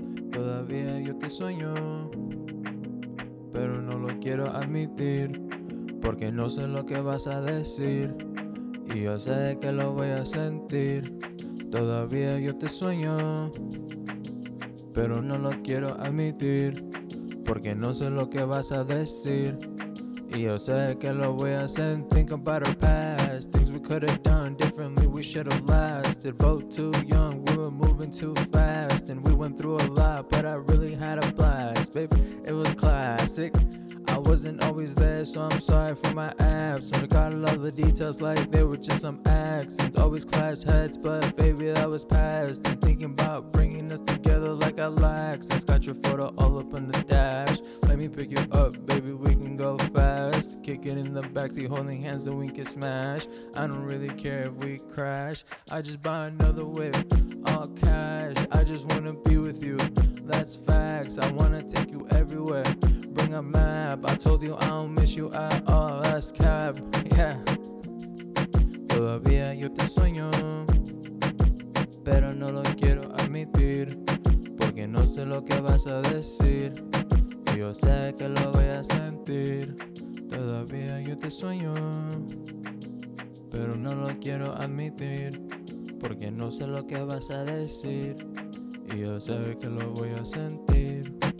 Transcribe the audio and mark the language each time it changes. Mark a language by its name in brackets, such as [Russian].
[Spanish] Todavía yo te sueño, pero no lo quiero admitir, porque no sé lo que vas a decir, y yo sé que lo voy a sentir. Todavía yo te sueño, pero no lo quiero admitir, porque no sé lo que vas a decir, y yo sé que lo voy a sentir. [English] Think about our past, things we could have done differently, we should have lasted. Both too young, we were moving too fast, and we went through a lot, but I really had a blast. Baby, it was classic. I wasn't always there, so I'm sorry for my abs. I forgot all the details like they were just some accents. Always clash heads, but baby, that was past. And thinking about bringing us together like I like. Since got your photo all up on the dash. Let me pick you up, baby, we can go fast. Kick it in the backseat, holding hands and we can smash. I don't really care if we crash. I just buy another whip, all cash. I just wanna be with you, that's facts. I wanna take you everywhere. Bring a map, I told you I don't miss you at all, that's cap, yeah. [Spanish] Todavía yo te sueño, pero no lo quiero admitir, porque no sé lo que vas a decir, y yo sé que lo voy a sentir. Todavía yo te sueño, pero no lo quiero admitir, porque no sé lo que vas a decir, y yo sé que lo voy a sentir.